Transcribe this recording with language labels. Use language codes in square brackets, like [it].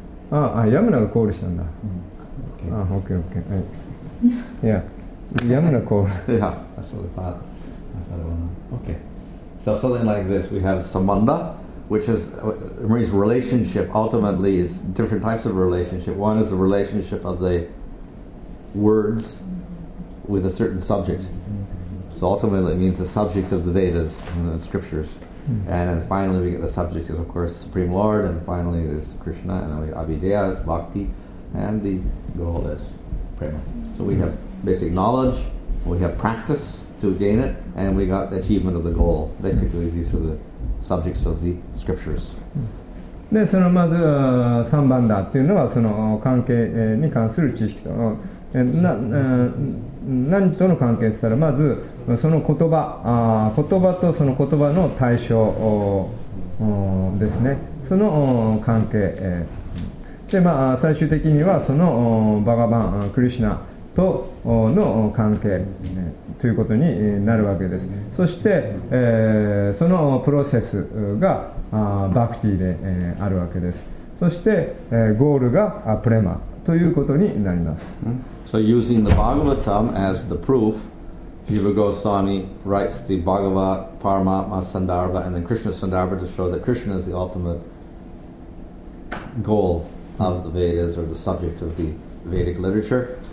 [ja] あ、ヤムナがコールしたんだ。あ、オッケーオッケー。いや、ヤムナコール。いや、そうだ。 [en] I thought it was not. Okay. So something like this, we have Samanda. Which is Marie's relationship ultimately is different types of relationship. One is the relationship of the words with a certain subject. So ultimately, it means the subject of the Vedas and the scriptures. And then finally, we get the subject is, of course, the Supreme Lord, and finally, it is Krishna, and then we have Abhideya, is bhakti, and the goal is prema. So we have basic knowledge, we have practice to gain it, and we got the achievement of the goal. Basically, these are the subjects of the scriptures. [ja] で、そのまず3番だっていうのはその関係に関する知識と何との関係って言ったら、まずその言葉とその言葉の対象ですね、その関係で、まあ最終的にはそのバガバン、クリシナとの関係ということになるわけです。そしてそのプロセスがバクティであるわけです。そしてゴールがプレマということになります。 [en] So using the Bhagavatam as the proof, Jiva Goswami writes the Bhagavat, Paramatma Sandarbha, and then Krishna Sandarbha to show that Krishna is the ultimate goal of the Vedas or the subject of the Vedic literature.